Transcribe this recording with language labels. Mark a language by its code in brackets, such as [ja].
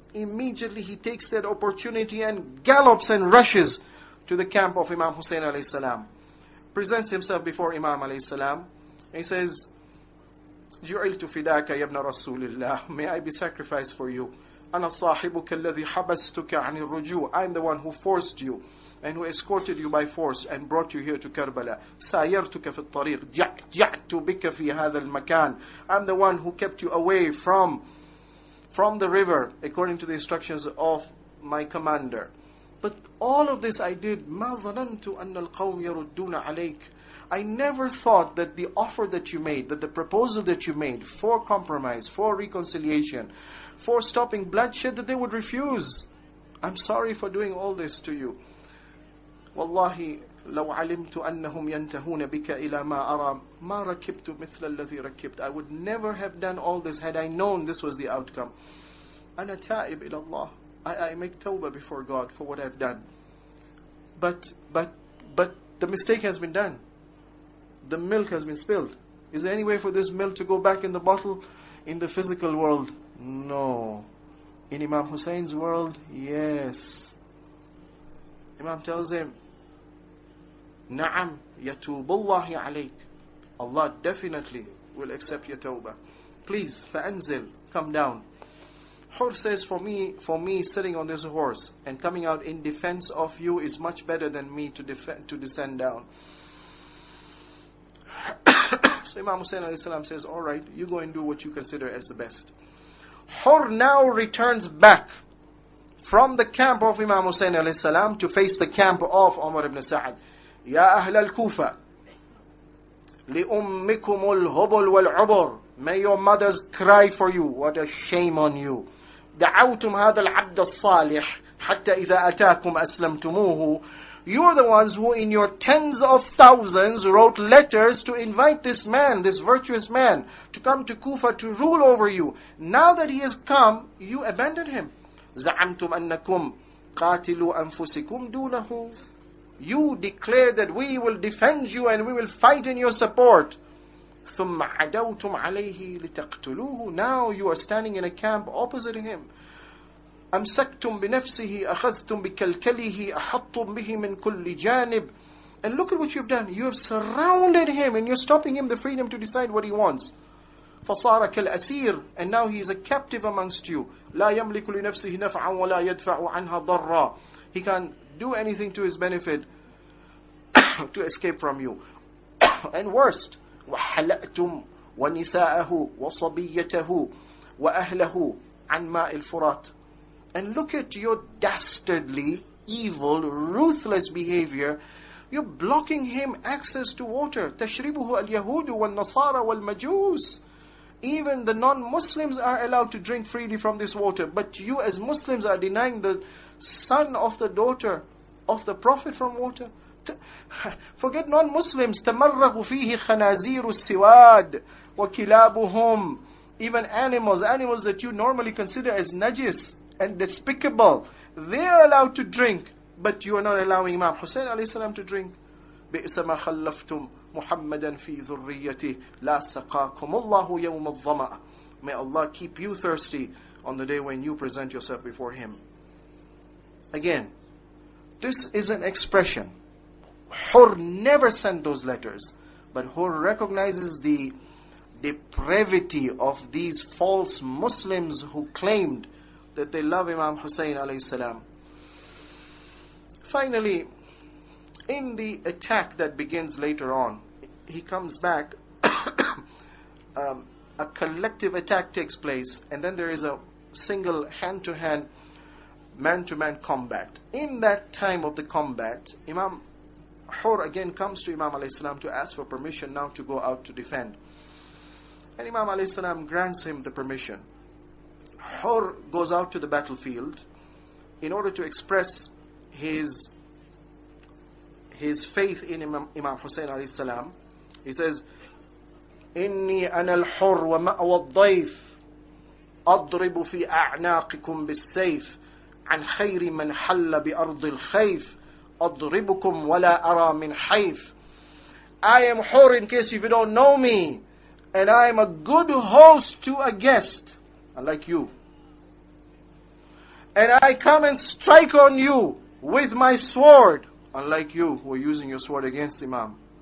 [en] Immediately, he takes that opportunity and gallops and rushes to the camp of Imam Hussein alayhi salam. Presents himself before Imam alayhi salam. He says, [ar] جُعِلْتُ فِدَاكَ يَبْنَ رَسُولِ اللَّهِ. [en] May I be sacrificed for you. [ar] أَنَا صَاحِبُكَ الَّذِي حَبَسْتُكَ عَنِ الرُّجُوعِ. [en] I am the one who forced you and who escorted you by force and brought you here to Karbala. [ar] سَايَرْتُكَ فِي الطَّرِيقِ. جَعْتُ بِكَ فِي هَذَا الْمَكَانِ. [en] I am the one who kept you away from the river according to the instructions of my commander. But all of this I did. [ar] مَا ظَنَنْتُ أَنَّ الْقَوْمِ يَرُدُّونَ عَلَيْكَ. [en] I never thought that the offer that you made, that the proposal that you made for compromise, for reconciliation, for stopping bloodshed, that they would refuse. I'm sorry for doing all this to you. [ar] Wallahi, لو علمت أنهم ينتهون بك إلى ما أرى ما ركبت مثل الذي ركبت. [en] I would never have done all this had I known this was the outcome. [ar] أنا تائب إلى الله. [en] I make tawbah before God for what I've done. But the mistake has been done. The milk has been spilled. Is there any way for this milk to go back in the bottle? In the physical world? No. In Imam Hussein's world? Yes. Imam tells him, [ar] نعم يتوب الله عليك. [en] Allah definitely will accept your tawbah. Please, [ar] فأنزل, [en] come down. Hur says, for me sitting on this horse and coming out in defense of you is much better than me to descend down. So Imam Hussein alayhi salam says, alright, you go and do what you consider as the best. Hur now returns back from the camp of Imam Hussein alayhi salam to face the camp of Umar ibn Sa'd. [ar] يا أهل الكوفة لأمكم الهبل والعبر. [en] May your mothers cry for you. What a shame on you. [ar] دعوتم هذا العبد الصالح حتى إذا أتاكم أسلمتموه. [en] You are the ones who in your tens of thousands wrote letters to invite this man, this virtuous man, to come to Kufa to rule over you. Now that he has come, you abandon him. [ar] زعمتم أنكم قاتلوا أنفسكم دونه. [en] You declare that we will defend you and we will fight in your support. [ar] ثم عدوتم عليه لتقتلوه. [en] Now you are standing in a camp opposite him. [ar] أمسكتم بنفسه أخذتم بكلكله أحطتم به من كل جانب. [en] And look at what you've done. You have surrounded him and you're stopping him the freedom to decide what he wants. [ar] فصار كالأسير. [en] And now he is a captive amongst you. [ar] لا يملك لنفسه نفعا ولا يدفع عنها ضرا. [en] He can't do anything to his benefit to escape from you. And worst, [ar] وحلأتم ونساءه وصبيته وأهله عن ماء الفرات. [en] And look at your dastardly, evil, ruthless behavior. You're blocking him access to water. [ar] تشربه اليهود والنصارى والمجوس. [en] Even the non-Muslims are allowed to drink freely from this water. But you as Muslims are denying the son of the daughter of the Prophet from water. Forget non-Muslims. [ar] تمرغ فيه خنازير السواد وكلابهم. [en] Even animals that you normally consider as najis and despicable, they are allowed to drink, but you are not allowing Imam Hussein alayhi salam to drink. [ar] بئس ما خلفتم محمدا في ذريتي لا سقاكم الله يوم الظمأ. [en] May Allah keep you thirsty on the day when you present yourself before him. Again, this is an expression. Hur never sent those letters, but Hur recognizes the depravity of these false Muslims who claimed that they love Imam Hussein alayhi salam. Finally, in the attack that begins later on, he comes back, a collective attack takes place, and then there is a single hand-to-hand, man-to-man combat. In that time of the combat, Imam Hur again comes to Imam alayhi salam to ask for permission now to go out to defend. And Imam alayhi salam grants him the permission. Hur goes out to the battlefield in order to express his faith in Imam Hussein alayhi salam. He says, [ar] إني أنا الحر ومأوى الضيف أضرب في أعناقكم بالسيف عن خير من حل بأرض الخيف أضربكم ولا أرى من حيف. [en] I am whore in case if you don't know me, and I am a good host to a guest, unlike you. And I come and strike on you with my sword, unlike you who are using your sword against Imam.